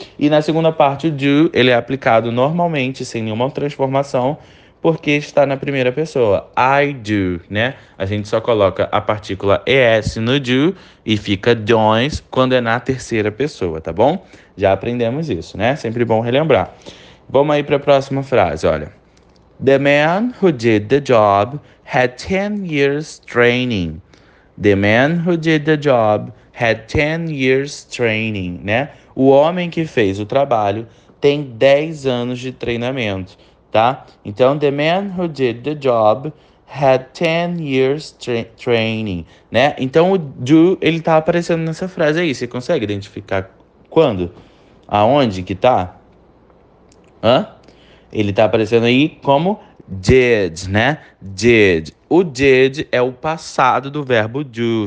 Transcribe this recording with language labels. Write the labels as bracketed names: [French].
[Portuguese] E na segunda parte, o do, ele é aplicado normalmente, sem nenhuma transformação, porque está na primeira pessoa, I do, né? A gente só coloca a partícula es no do e fica does quando é na terceira pessoa, tá bom? Já aprendemos isso, né? Sempre bom relembrar. Vamos aí para a próxima frase, olha. [English] The man who did the job had 10 years training. The man who did the job had 10 years training, né? [Portuguese] O homem que fez o trabalho tem 10 anos de treinamento. Tá? [English] Então, the man who did the job had 10 years training, né? [Portuguese] Então, o do, ele tá aparecendo nessa frase aí. Você consegue identificar quando? Aonde que tá? Hã? Ele tá aparecendo aí como Did, né? Did. O did é o passado do verbo do.